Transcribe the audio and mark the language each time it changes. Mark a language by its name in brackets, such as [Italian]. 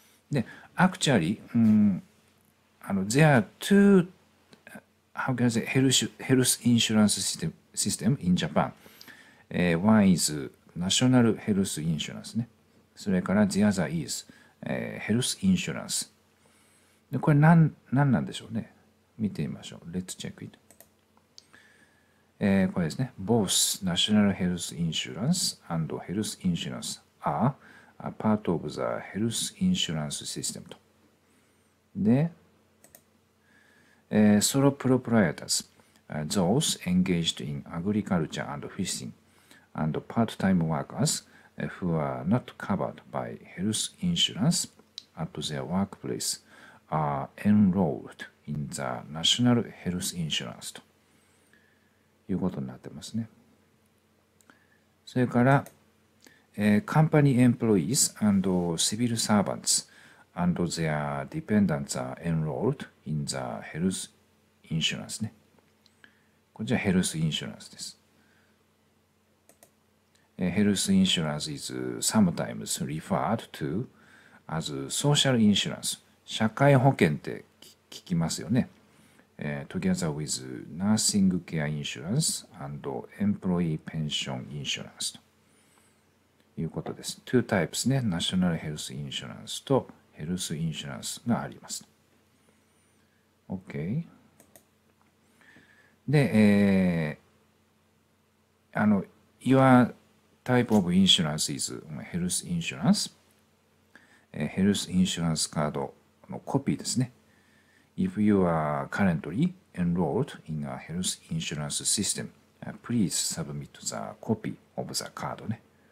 [English] で、actually、there are two how can I say health insurance system in Japan.、one is national health insurance ね。 [Japanese] それから [English] the other is、health insurance。 [Japanese] で、これ何なんでしょうね。見てみましょう。 [English] Let's check it. [Japanese] これですね。 [English] Both National Health Insurance and Health Insurance are part of the Health Insurance System. [Japanese] と。 [English] で、Sole Proprietors, those engaged in agriculture and fishing, and part-time workers who are not covered by Health Insurance at their workplace are enrolled in the National Health Insurance. [Japanese] いうことになってますね。それから、 [English] company employees and civil servants and their dependents are enrolled in the health insurance ね。 [Japanese] こちらヘルスインシュランスです。 [English] ヘルスインシュランス is sometimes referred to as social insurance [Japanese] 社会保険って聞きますよね。 [English] Together with nursing care insurance and employee pension insurance と [Japanese] いうことです。 [English] 2 types [Japanese] ね、ナショナルヘルスインシュランスとヘルスインシュランスがあります。 [English] OK。で、Your type of insurance is health insurance. Health insurance card [Japanese] のコピーですね。 [English] If you are currently enrolled in a health insurance system, please submit the copy of the card ね。